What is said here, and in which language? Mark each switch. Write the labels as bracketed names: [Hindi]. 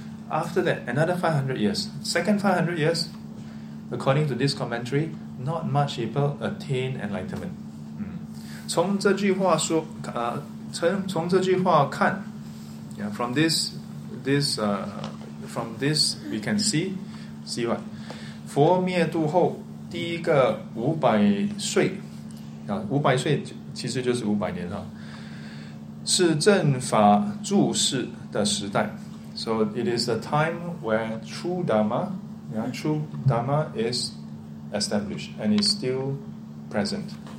[English] After that, another 500 years. Second 500 years, according to this commentary, not much people attain enlightenment. [Chinese] 从这句话看, [English] yeah, from this we can see what? [Chinese] 佛灭度后第一个五百岁, 500岁其实就是500年, 是正法住世的时代. [English] So it is the time where true Dhamma is established and is still present.